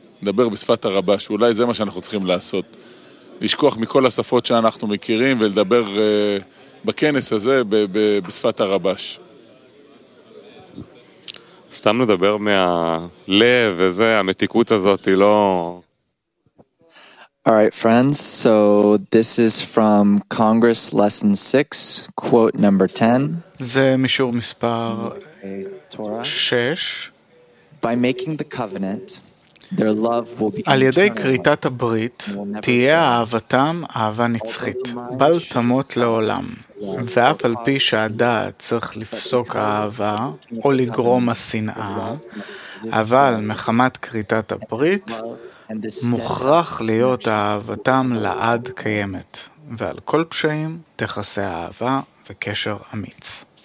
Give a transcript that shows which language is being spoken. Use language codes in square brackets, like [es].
[he] נדבר בשפת הרבש, אולי זה מה שאנחנו צריכים לעשות. לשכוח מכל השפות שאנחנו מכירים ולדבר בכנס הזה בשפת הרבש. סתם לדבר מהלב וזה, המתיקות הזאת היא לא... [en] All right, friends, so this is from Congress Lesson 6, quote number 10. [he] זה משור מספר 6. [en] By making the covenant, their love will be [he] על ידי כריתת הברית, תהיה אהבתם אהבה נצחית, בל תמות לעולם. ואף על פי שהדעת צריך לפסוק אהבה או לגרום השנאה, אבל מחמת כריתת הברית, מוכרח להיות אהבתם לעד קיימת, ועל כל פשעים תכסה אהבה וקשר אמיץ.